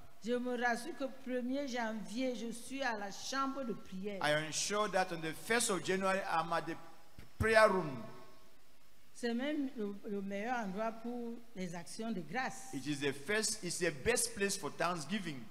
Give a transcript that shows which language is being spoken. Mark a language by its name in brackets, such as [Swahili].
[French] Je me rassure que 1er janvier, je suis à la chambre de prière. [English] I ensure that on the 1st of January, I'm at the prayer room. [French] C'est même le meilleur endroit pour les actions de grâce. [English] It is the first, it's the best place for Thanksgiving.